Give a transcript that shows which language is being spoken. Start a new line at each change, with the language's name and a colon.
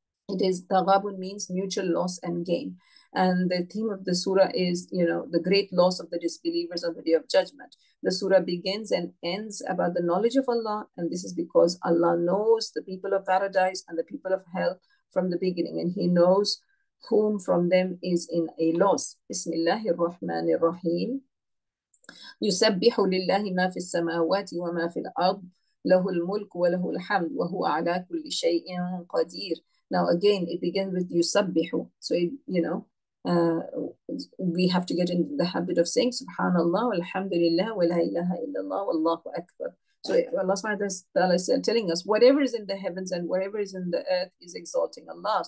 English: It is, Taghabun means mutual loss and gain. And the theme of the surah is, you know, the great loss of the disbelievers on the day of judgment. The surah begins and ends about the knowledge of Allah. And this is because Allah knows the people of paradise and the people of hell from the beginning. And he knows whom from them is in a loss.
Arabic: Bismillahir Rahmanir Rahim. يسبح لله ما في السماوات وما في الأرض له الملك وله الحمد وهو على كل شيء قدير.
English: Now again, it begins with يسبحوا. So it, you know, we have to get into the habit of saying Subhanallah, Alhamdulillah,
Arabic: ولا إله إلا الله, والله أكبر.
English: So Allah subhanahu wa ta'ala is telling us, whatever is in the heavens and whatever is in the earth is exalting Allah.